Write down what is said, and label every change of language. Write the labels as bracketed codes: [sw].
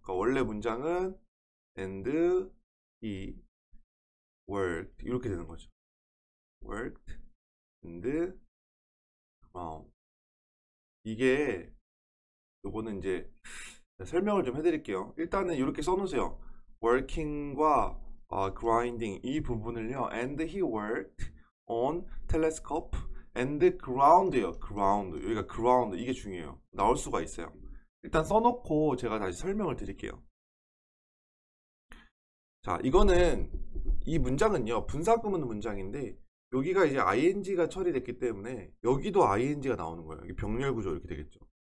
[ko] 그러니까 원래 문장은 [en] and he worked [ko] 이렇게 되는 거죠. [en] worked and ground. [ko] 이게 요거는 이제 설명을 좀 해드릴게요. 일단은 이렇게 써놓으세요. working과 grinding 이 부분을요. [en] and he worked on telescope and ground예요. [ko] ground 여기가 ground 이게 중요해요. 나올 수가 있어요. 일단 써놓고 제가 다시 설명을 드릴게요. 자, 이거는 이 문장은요, 분사구문 문장인데, 여기가 이제 ing가 처리됐기 때문에, 여기도 ing가 나오는 거예요. 이게 병렬 구조 이렇게 되겠죠.